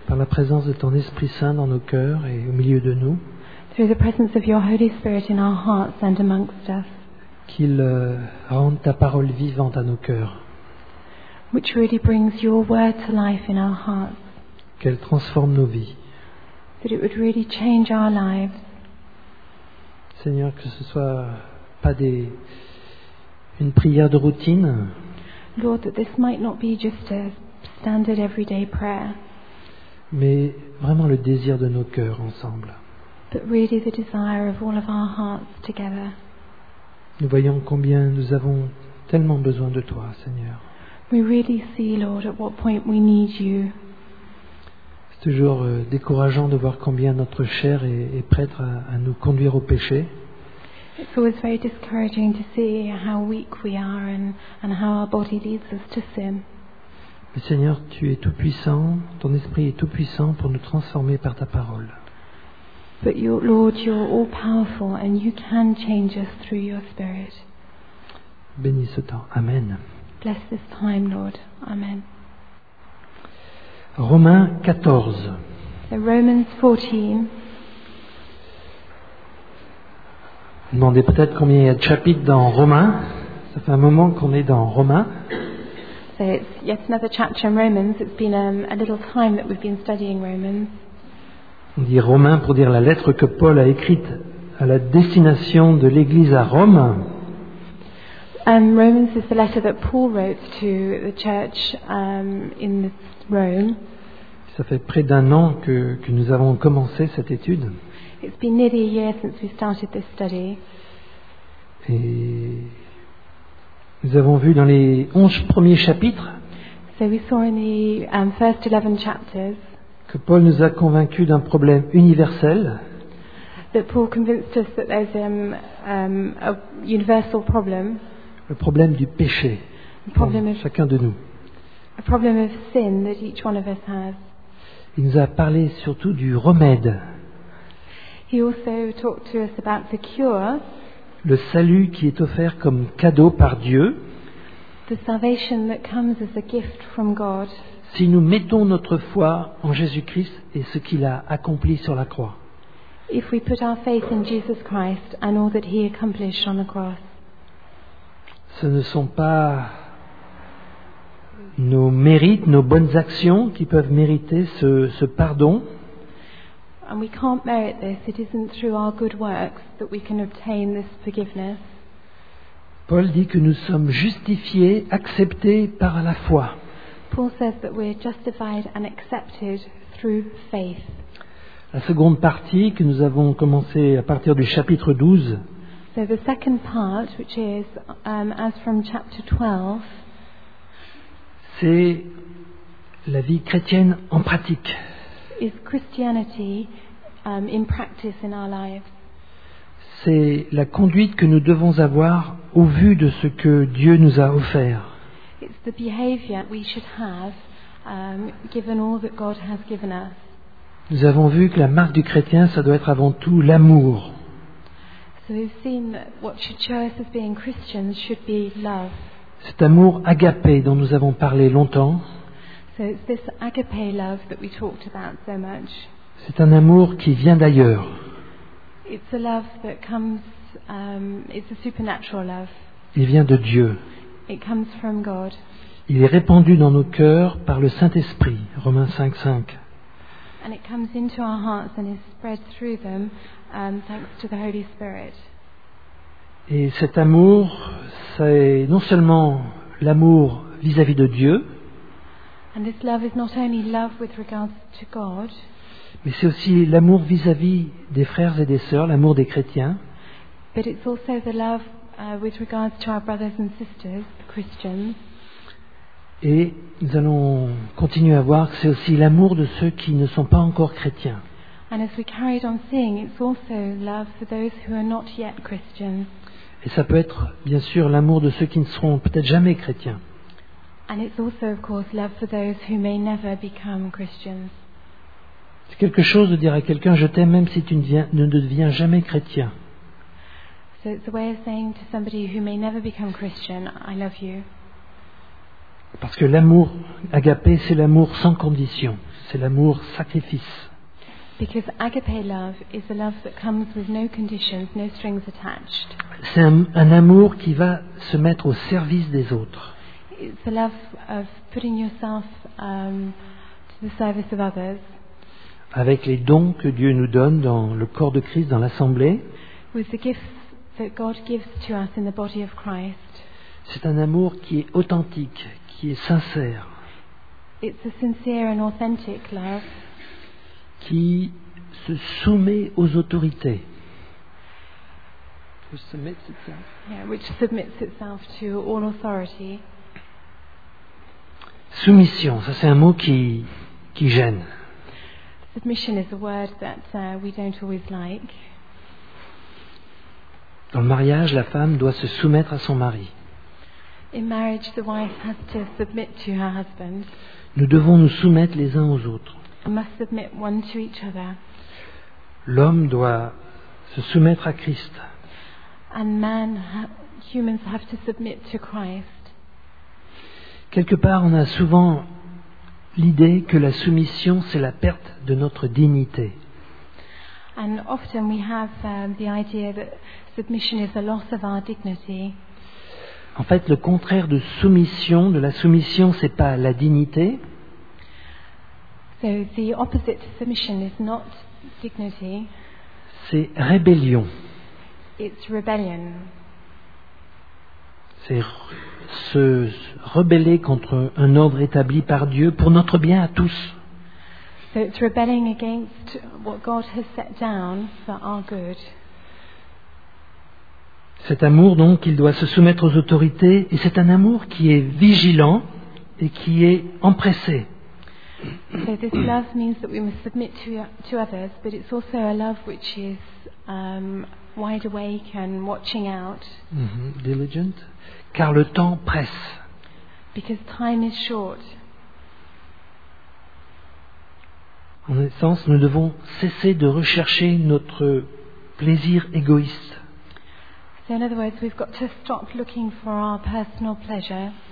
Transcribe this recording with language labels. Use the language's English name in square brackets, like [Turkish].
[French] Par la présence de ton Esprit Saint dans nos cœurs et au milieu de nous. [English] Through the presence of your Holy Spirit in our hearts and amongst us. [French] Qu'il rende ta parole vivante à nos cœurs. [English] Which really brings your word to life in our hearts. [French] Qu'elle transforme nos vies. [English] That it would really change our lives. [French] Seigneur, que ce soit pas une prière de routine. [English] Lord, that this might not be just a standard everyday prayer. [French] Mais vraiment le désir de nos cœurs ensemble. [English] But really the desire of all of our hearts together. [French] Nous voyons combien nous avons tellement besoin de toi, Seigneur. [English] We really see, Lord, at what point we need you. [French] C'est toujours décourageant de voir combien notre chair est prête à nous conduire au péché. [English] It's always very discouraging to see how weak we are and how our body leads us to sin. [French] Mais Seigneur, tu es tout puissant, ton esprit est tout puissant pour nous transformer par ta parole. [English] But you, Lord, you're all powerful and you can change us through your spirit. [French] Bénis ce temps. Amen. [English] Bless this time, Lord. Amen. [French] Romains 14. [English] Romans 14. [French] Vous demandez peut-être combien il y a de chapitres dans Romains. Ça fait un moment qu'on est dans Romains. [English] So it's yet another chapter in Romans. It's been a little time that we've been studying Romans. [French] On dit Romains pour dire la lettre que Paul a écrite à la destination de l'Église à Rome. [English] And Romans is the letter that Paul wrote to the church in Rome. [French] Ça fait près d'un an que nous avons commencé cette étude. [English] It's been nearly a year since we started this study. [French] Et nous avons vu dans les 11 premiers chapitres. [English] So we saw in the first 11 chapters. [French] Que Paul nous a convaincus d'un problème universel. [English] That Paul convinced us that there's a universal problem. [French] Le problème du péché. Chacun de nous. [English] A problem of sin that each one of us has. [French] Il nous a parlé surtout du remède. [English] He also talked to us about the cure. [French] Le salut qui est offert comme cadeau par Dieu. [English] The salvation that comes as a gift from God. [French] Si nous mettons notre foi en Jésus-Christ et ce qu'il a accompli sur la croix. [English] If we put our faith in Jesus Christ and all that he accomplished on the cross. [French] Ce ne sont pas nos mérites, nos bonnes actions qui peuvent mériter ce pardon. [English] And we can't merit this. It isn't through our good works that we can obtain this forgiveness. [French] Paul dit que nous sommes justifiés, acceptés par la foi. [English] Paul says that we're justified and accepted through faith. [French] La seconde partie que nous avons commencé à partir du chapitre 12. [English] So the second part, which is as from chapter 12, [French] c'est la vie chrétienne en pratique. [English] Is Christianity in practice in our lives? [French] C'est la conduite que nous devons avoir au vu de ce que Dieu nous a offert. [English] It's the behavior we should have given all that God has given us. [French] Nous avons vu que la marque du chrétien, ça doit être avant tout l'amour. [English] So we've seen that what should show us as being Christians should be love. [French] Cet amour agapé dont nous avons parlé longtemps. [English] So it's this agape love that we talked about so much. [French] C'est un amour qui vient d'ailleurs. [English] It's a love that comes. It's a supernatural love. [French] Il vient de Dieu. [English] It comes from God. [French] Il est répandu dans nos cœurs par le Saint-Esprit. Romains 5:5. [English] And it comes into our hearts and is spread through them. Thanks to the Holy Spirit. [French] Et cet amour, c'est non seulement l'amour vis-à-vis de Dieu, [English] and this love is not only love with regards to God, [French] mais c'est aussi l'amour vis-à-vis des frères et des sœurs, l'amour des chrétiens, [English] but it's also the love with regards to our brothers and sisters, the Christians. [French] Et nous allons continuer à voir que c'est aussi l'amour de ceux qui ne sont pas encore chrétiens. [English] And as we carried on seeing, it's also love for those who are not yet Christians. [French] Et ça peut être, bien sûr, l'amour de ceux qui ne seront peut-être jamais chrétiens. [English] And it's also, of course, love for those who may never become Christians. [French] C'est quelque chose de dire à quelqu'un je t'aime même si tu ne deviens jamais chrétien. [English] So it's a way of saying to somebody who may never become Christian, I love you. [French] Parce que l'amour agapé, c'est l'amour sans condition, c'est l'amour sacrifice. [English] Because agape love is a love that comes with no conditions, no strings attached. [French] C'est un amour qui va se mettre au service des autres. [English] It's a love of putting yourself to the service of others. [French] Avec les dons que Dieu nous donne dans le corps de Christ, dans l'assemblée. [English] With the gifts that God gives to us in the body of Christ. [French] C'est un amour qui est authentique, qui est sincère. [English] It's a sincere and authentic love. [French] Qui se soumet aux autorités. [English] Which submits itself to all authority. [French] Soumission, ça c'est un mot qui gêne. [English] Submission is a word that we don't always like. [French] Dans le mariage, la femme doit se soumettre à son mari. [English] In marriage, the wife has to submit to her husband. [French] Nous devons nous soumettre les uns aux autres. [English] Must submit one to each other. [French] L'homme doit se soumettre à Christ. [English] And man, humans have to submit to Christ. [French] Quelque part, on a souvent l'idée que la soumission, c'est la perte de notre dignité. [English] And often we have the idea that submission is a loss of our dignity. [French] En fait, le contraire de soumission, de la soumission, c'est pas la dignité. [English] So the opposite to submission is not dignity. [French] C'est rébellion. [English] It's rebellion. [French] C'est se rebeller contre un ordre établi par Dieu pour notre bien à tous. [English] So it's rebelling against what God has set down for our good. [French] Cet amour donc, il doit se soumettre aux autorités et c'est un amour qui est vigilant et qui est empressé. [English] So this love means that we must submit to others, but it's also a love which is wide awake and watching out. [French] Mm-hmm. Diligent. Car le temps presse. [English] Because time is short. [French] En essence, nous devons cesser de rechercher notre plaisir égoïste. [English] So in other words, we've got to stop looking for our personal pleasure.